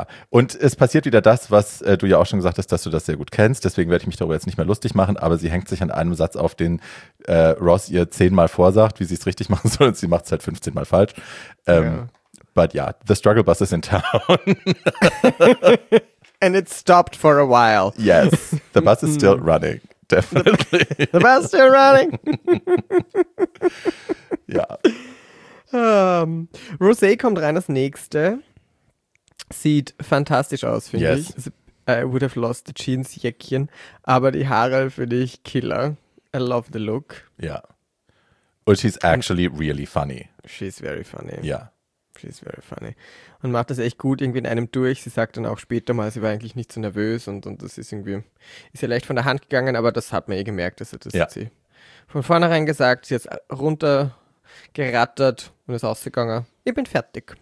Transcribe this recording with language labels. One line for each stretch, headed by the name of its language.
German: Und es passiert wieder das, was du ja auch schon gesagt hast, dass du das sehr gut kennst, deswegen werde ich mich darüber jetzt nicht mehr lustig machen, aber sie hängt sich an einem Satz auf, den Ross ihr 10-mal vorsagt, wie sie es richtig machen soll, und sie macht es halt 15-mal falsch.
English: The struggle bus is in town. And it stopped for a while. Yes, the bus is still running, definitely. The bus is still running.
German: Ja. Rosé kommt rein als Nächste. Sieht fantastisch aus, finde ich.
English: Yes. I would have lost the jeans, Jäckchen.
German: Aber die Haare finde ich killer.
English: I love the look. Ja. Yeah. And she's actually really funny. She's very funny. Ja. Yeah. She's very funny.
German: Und macht das echt gut irgendwie in einem durch. Sie sagt dann auch später mal, sie war eigentlich nicht so nervös und das ist irgendwie, ist ja leicht von der Hand gegangen, aber das hat man eh gemerkt. Also das hat sie von vornherein gesagt, sie hat runtergerattert und ist ausgegangen. Ich bin fertig.